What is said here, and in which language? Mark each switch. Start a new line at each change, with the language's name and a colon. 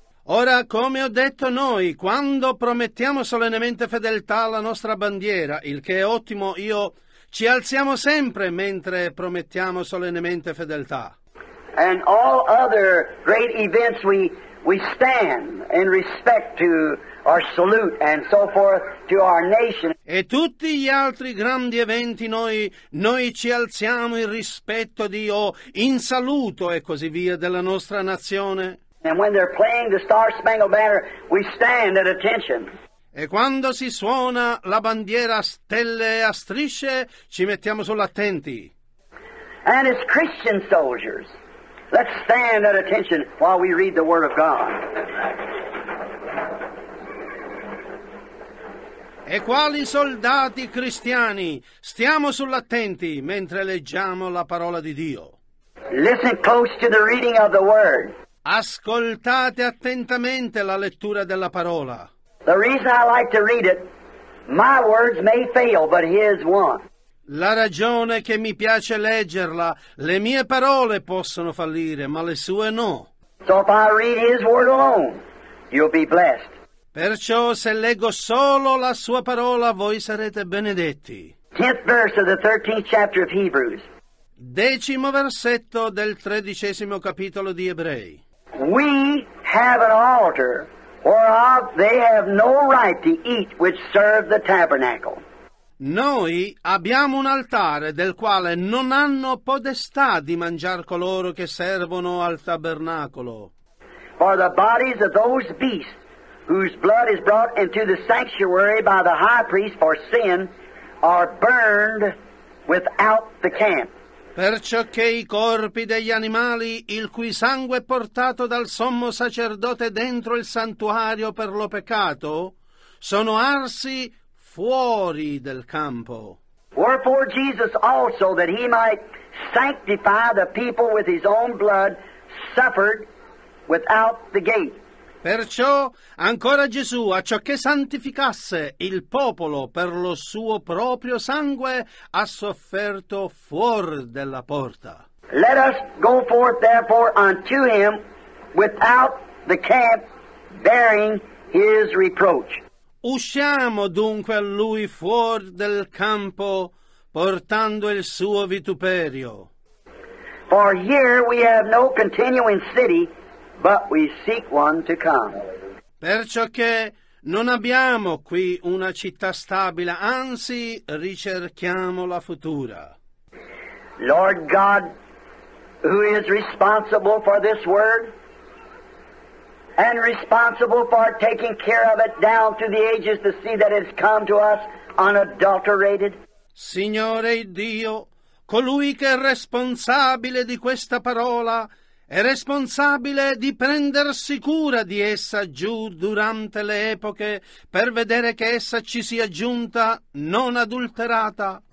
Italian: Ora, come ho detto, noi, quando promettiamo solennemente fedeltà alla nostra bandiera, il che è ottimo, io ci alziamo sempre mentre promettiamo solennemente fedeltà.
English: And all other great events we stand in respect to our salute and so forth to our nation.
Italian: E tutti gli altri grandi eventi noi ci alziamo in rispetto di in saluto e così via della nostra nazione.
English: And when they're playing the Star Spangled Banner, we stand at attention.
Italian: E quando si suona la bandiera a stelle e a strisce, ci mettiamo sull'attenti.
English: And as Christian soldiers, let's stand at attention while we read the Word of God.
Italian: E quali soldati cristiani, stiamo sull'attenti mentre leggiamo la parola di Dio.
English: Listen close to the reading of the Word.
Italian: Ascoltate attentamente la lettura della parola.
English: The reason I like to read it, my words may fail, but His won't.
Italian: La ragione che mi piace leggerla, le mie parole possono fallire, ma le sue no.
English: So if I read His word alone, you'll be blessed.
Italian: Perciò se leggo solo la sua parola, voi sarete benedetti.
English: 10th verse of the 13th chapter of Hebrews.
Italian: Decimo versetto del 13° capitolo di Ebrei.
English: We have an altar whereof they have no right to eat which serve the tabernacle.
Italian: Noi abbiamo un altare del quale non hanno podestà di mangiar coloro che servono al tabernacolo.
English: For the bodies of those beasts whose blood is brought into the sanctuary by the high priest for sin are burned without the camp.
Italian: Perciò che i corpi degli animali il cui sangue è portato dal sommo sacerdote dentro il santuario per lo peccato sono arsi fuori del campo.
English: Wherefore Jesus also, that he might sanctify the people with his own blood, suffered without the gate.
Italian: Perciò ancora Gesù, a ciò che santificasse il popolo per lo suo proprio sangue, ha sofferto fuori della porta.
English: Let us go forth therefore unto him without the camp, bearing his reproach.
Italian: Usciamo dunque a lui fuori del campo, portando il suo vituperio.
English: For here we have no continuing city, but we seek one to come.
Italian: Perciò che non abbiamo qui una città stabile, anzi ricerchiamo la futura.
English: Lord God, who is responsible for this word? And responsible for taking care of it down through the ages to see that it's come to us unadulterated.
Italian: Signore Dio, colui che è responsabile di questa parola è responsabile di prendersi cura di essa giù durante le epoche per vedere che essa ci sia giunta non adulterata.